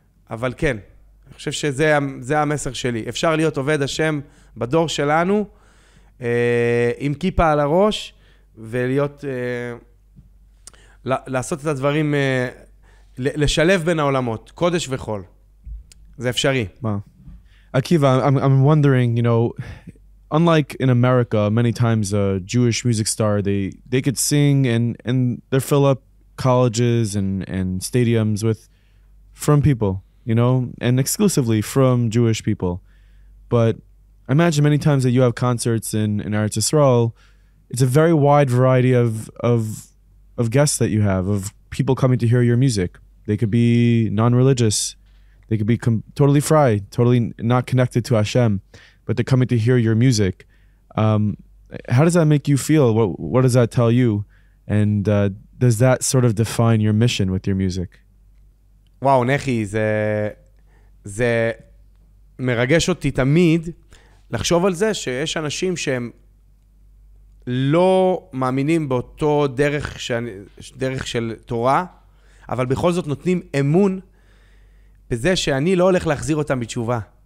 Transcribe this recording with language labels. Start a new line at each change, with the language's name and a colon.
Hebrew: אבל כן, אני חושב שזה המסר שלי. אפשר להיות עובד השם בדור שלנו, עם כיפה על הראש, ולהיות, לעשות את הדברים, לשלב בין העולמות, קודש וחול. זה אפשרי.
English: Akiva, I'm wondering, you know, unlike in America, many times a Jewish music star, they could sing and they fill up colleges and stadiums with from people, you know, and exclusively from Jewish people. But I imagine many times that you have concerts in Eretz Yisrael, it's a very wide variety of guests that you have, of people coming to hear your music. They could be non-religious, they could be totally fried, totally not connected to Hashem, but they're coming to hear your music. How does that make you feel? What does that tell you? And does that sort of define your mission with your music?
Hebrew: Wow, Nechi, זה מרגש אותי תמיד, לחשוב על זה שיש אנשים שהם לא מאמינים באותו דרך של תורה, אבל בכל זאת נותנים אמון בזה שאני לא הולך להחזיר אותם בתשובה.